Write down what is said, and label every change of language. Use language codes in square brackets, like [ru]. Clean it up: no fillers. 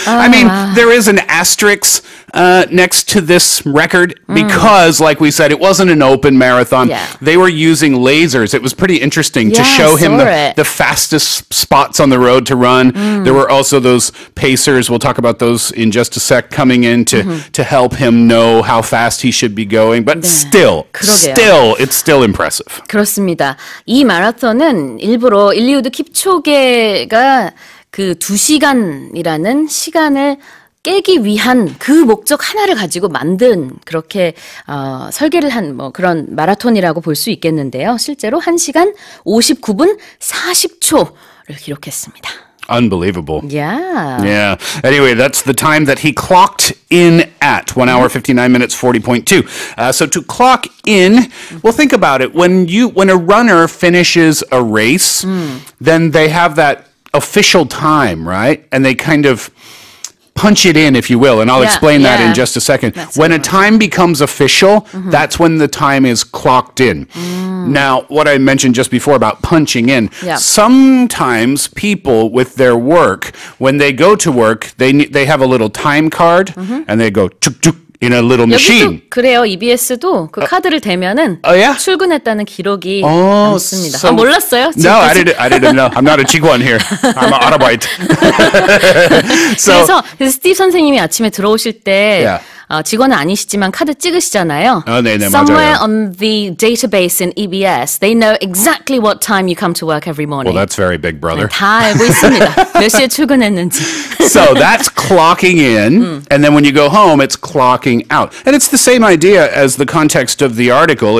[en] I mean, there is an asterisk next to this record because, like we said, it wasn't an open marathon. Yeah. They were using lasers. It was pretty interesting to show him the fastest spots on the road to run. Mm. There were also those pacers. We'll talk about those in just a sec coming in to help him know how fast he should be going. But still, it's still impressive. [ko] 그렇습니다. 이 마라톤은 일부러 일리우드 킵초게가 그 두 시간이라는 시간을 깨기 위한 그 목적 하나를 가지고 만든 그렇게 설계를 한 뭐 그런 마라톤이라고 볼 수 있겠는데요. 실제로 1시간 59분 40초를 기록했습니다. [en] Unbelievable. Yeah. Yeah. Anyway, that's the time that he clocked in at, 1 hour, 59 minutes, 40.2. So to clock in, well, think about it. When a runner finishes a race, then they have that official time, right? And they kind of punch it in, if you will. And I'll explain that in just a second. When a time becomes official, that's when the time is clocked in. Mm. Now, what I mentioned just before about punching in, sometimes people with their work, when they go to work, they have a little time card and they go tuk tuk in a little machine. [ko] 그래요. EBS도 그 카드를 대면은 출근했다는 기록이 남습니다. 아, 몰랐어요? 지금 [en] No, I didn't know. I'm not a [ko] 직원 [en] here. I'm an Arbeiter. [ko] So, 그래서 스티브 선생님이 아침에 들어오실 때 직원은 아니시지만 카드 찍으시잖아요. [en] Somewhere on the database in EBS, they know exactly what time you come to work every morning. Well, that's very big, brother. [ko] 다 알고 있습니다. 몇 시에 출근했는지. [en] So that's clocking in, and then when you go home, it's clocking out. And it's the same idea as the context of the article.